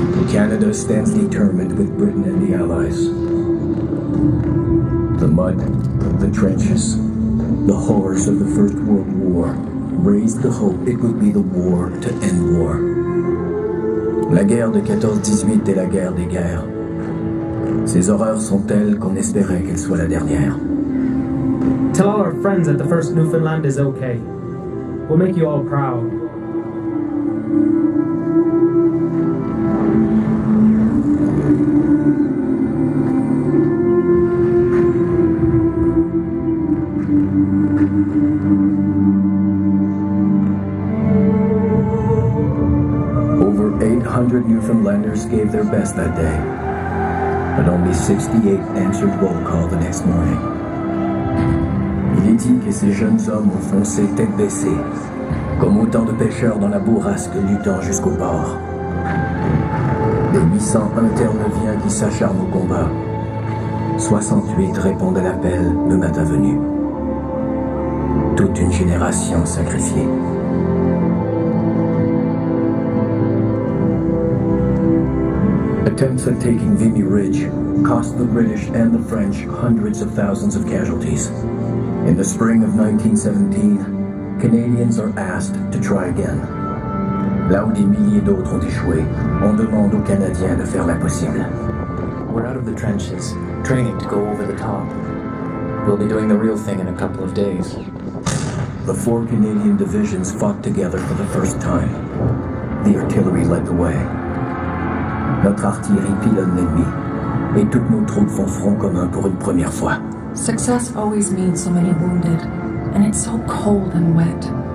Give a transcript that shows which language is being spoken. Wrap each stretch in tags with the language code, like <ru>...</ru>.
<en>Canada stands determined with Britain and the Allies. The mud, the trenches, the horrors of the First World War raised the hope it would be the war to end war.</en> <fr>La guerre de 14-18 est la guerre des guerres. Ces horreurs sont telles qu'on espérait qu'elle soit la dernière.</fr> <en>Tell all our friends that the first Newfoundland is okay. We'll make you all proud. Over 800 Newfoundlanders gave their best that day, but only 68 answered roll call the next morning.</en> <fr>Que ces jeunes hommes ont foncé tête baissée, comme autant de pêcheurs dans la bourrasque luttant jusqu'au bord. Des 800 interneviens qui s'acharnent au combat, 68 répondent à l'appel le matin venu. Toute une génération sacrifiée.</fr> <en>Attempts at taking Vimy Ridge cost the British and the French hundreds of thousands of casualties. In the spring of 1917, Canadians are asked to try again.</en> <fr>Là où des milliers d'autres ont échoué, on demande aux Canadiens de faire l'impossible.</fr> <en>We're out of the trenches, training to go over the top. We'll be doing the real thing in a couple of days. The four Canadian divisions fought together for the first time. The artillery led the way.</en> <fr>Notre artillerie pilonne l'ennemi, et toutes nos troupes font front commun pour une première fois.</fr> <en>Success always means so many wounded, and it's so cold and wet.</en>